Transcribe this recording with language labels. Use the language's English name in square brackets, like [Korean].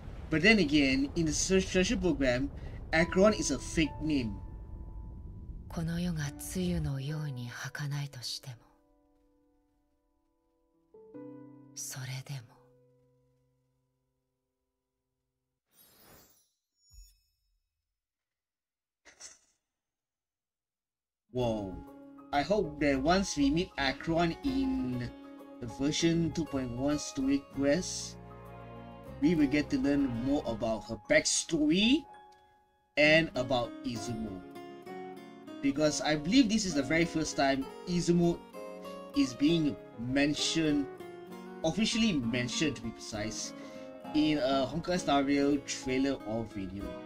[English] But then again, in the search program, Acheron is a fake name. [Japanese] この世が梅雨のように儚いとしても、それでも。Whoa! [English] I hope that once we meet Acheron in the version 2.1 story quest, we will get to learn more about her backstory and about Izumo. Because I believe this is the very first time Izumo is being mentioned, officially mentioned to be precise, in a Honkai Star Rail trailer or video.